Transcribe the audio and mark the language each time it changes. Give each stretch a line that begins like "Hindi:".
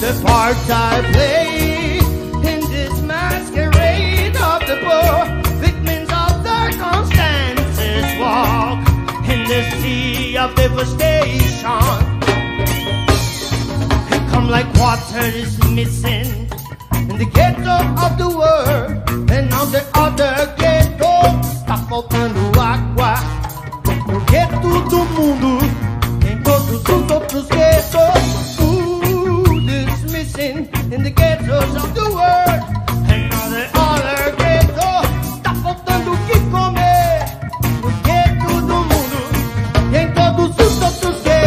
English: The part I play in this masquerade of the poor victims of circumstances walk in the sea of devastation. It come like water is missing in the ghetto of the world and on the other ghetto.
Portuguese: Está faltando água no ghetto do mundo, em todos os outros ghettos.
English: Food is missing in the ghettos of the world and on the other ghetto.
Portuguese: Está faltando o que comer no ghetto do mundo, em todos os outros ghettos.